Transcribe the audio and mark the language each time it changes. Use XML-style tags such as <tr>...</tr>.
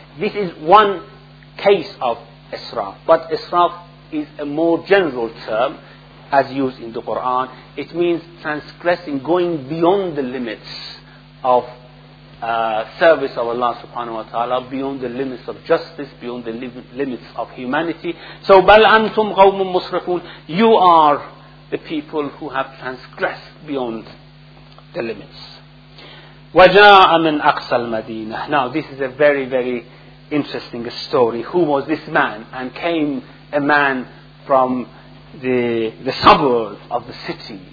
<en>This is one case of israf, but israf is a more general term as used in the Quran. It means transgressing, going beyond the limits of service of Allah subhanahu wa ta'ala beyond the limits of justice, beyond the limits of humanity.</en> <ar>So, بَلْ أَنْتُمْ قَوْمٌ مُسْرِفُونَ.</ar> <en>You are the people who have transgressed beyond the limits.</en> <ar>وَجَاءَ مِنْ أَقْصَى الْمَدِينَةِ.</ar> <en>Now, this is a very, very interesting story. Who was this man? And came a man from the suburb of the city.</en>